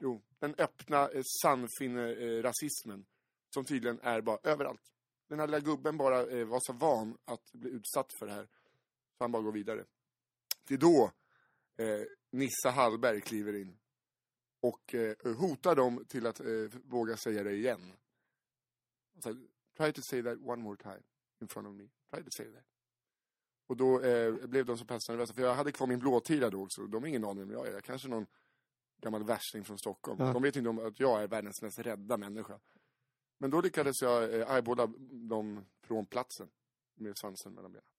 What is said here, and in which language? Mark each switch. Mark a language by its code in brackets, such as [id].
[sv] Jo, den öppna sannfinne-rasismen som tydligen är bara överallt. Den här lilla gubben bara var så van att bli utsatt för det här. Så han bara går vidare. Det är då Nissa Hallberg kliver in och hotar dem till att våga säga det igen. [en] Så, try to say that one more time in front of me. Try to say that. [sv] Och då blev de så pass nervösa. För jag hade kvar min blåtira då också. De har ingen aning om jag är. Kanske någon gammal värsting från Stockholm. Ja. De vet inte om att jag är världens mest rädda människa. Men då lyckades jag båda dem från platsen. Med svansen mellan benen.